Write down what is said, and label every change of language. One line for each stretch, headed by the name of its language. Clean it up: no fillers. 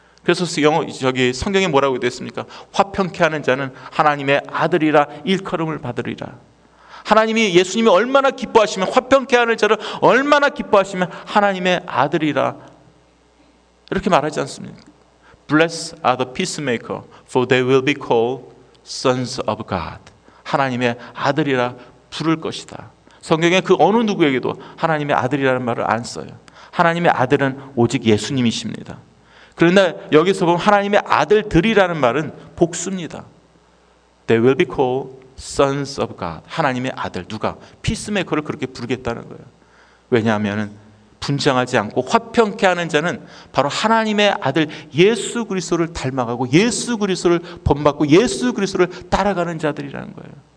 Korean: 그래서 저기 성경에 뭐라고 되어 있습니까? 화평케 하는 자는 하나님의 아들이라 일컬음을 받으리라. 하나님이 예수님이 얼마나 기뻐하시면 화평케 하는 자를 얼마나 기뻐하시면 하나님의 아들이라 이렇게 말하지 않습니까?
English: Blessed are the peacemaker for they will be called sons of God.
Korean: 하나님의 아들이라 부를 것이다. 성경에 그 어느 누구에게도 하나님의 아들이라는 말을 안 써요. 하나님의 아들은 오직 예수님이십니다. 그런데 여기서 보면 하나님의 아들들이라는 말은 복수입니다.
English: They will be called Sons of God.
Korean: 하나님의 아들 누가 피스메이커를 그렇게 부르겠다는 거예요. 왜냐하면 분쟁하지 않고 화평케 하는 자는 바로 하나님의 아들 예수 그리스도를 닮아가고 예수 그리스도를 본받고 예수 그리스도를 따라가는 자들이라는 거예요.